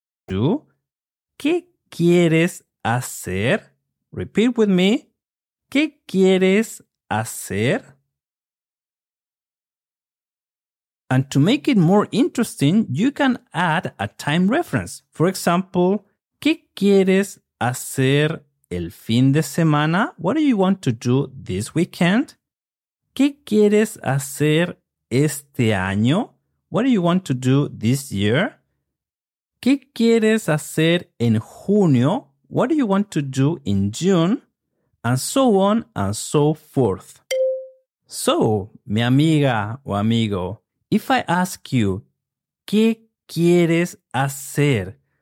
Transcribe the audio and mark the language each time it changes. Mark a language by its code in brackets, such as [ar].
[es] ¿Tú? ¿Qué quieres hacer? [en] Repeat with me. [es] ¿Qué quieres hacer? [en] And to make it more interesting, you can add a time reference. For example, [es] ¿qué quieres hacer el fin de semana? [en] What do you want to do this weekend? [es] ¿Qué quieres hacer este año? [en] What do you want to do this year? [es] ¿Qué quieres hacer en junio? [en] What do you want to do in June? And so on and so forth. [es] So, mi amiga o amigo, [en] if I ask you, [es] ¿qué quieres hacer?